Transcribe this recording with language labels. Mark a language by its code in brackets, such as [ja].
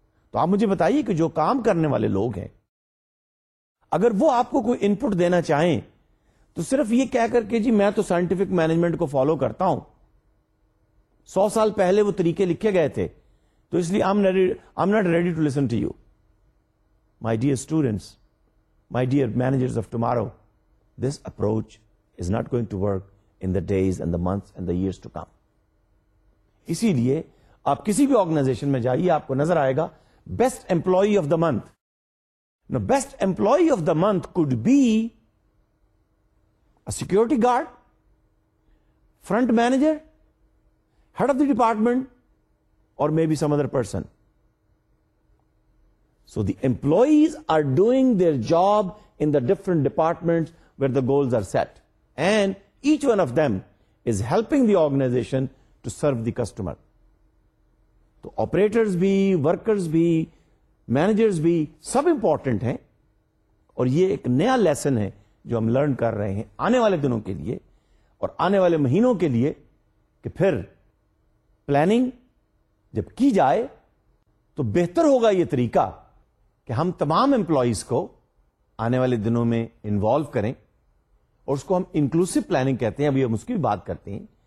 [ur] تو آپ مجھے بتائیے کہ جو کام کرنے والے لوگ ہیں اگر وہ آپ کو کوئی ان پٹ دینا چاہیں تو صرف یہ کہہ کر کے جی میں تو سائنٹیفک مینجمنٹ کو فالو کرتا ہوں, 100 سال پہلے وہ طریقے لکھے گئے تھے تو اس لیے [en] I'm not ready to listen to you. My dear students, my dear managers of tomorrow, this approach is not going to work in the days and the months and the years to come. [ur] اسی لیے آپ کسی بھی organization میں جائیے آپ کو نظر آئے گا best employee of the month. [en] Now best employee of the month could be a security guard, front manager, head of the department, or maybe some other person. So the employees are doing their job in the different departments where the goals are set. And each one of them is helping the organization to serve the customer. [ur] So operators bhi, workers bhi, managers بھی سب important ہیں, اور یہ ایک نیا lesson ہے جو ہم learn کر رہے ہیں آنے والے دنوں کے لیے اور آنے والے مہینوں کے لیے, کہ پھر پلاننگ جب کی جائے تو بہتر ہوگا یہ طریقہ کہ ہم تمام امپلائیز کو آنے والے دنوں میں انوالو کریں, اور اس کو ہم انکلوسیو پلاننگ کہتے ہیں, ابھی ہم اس کی بھی بات کرتے ہیں.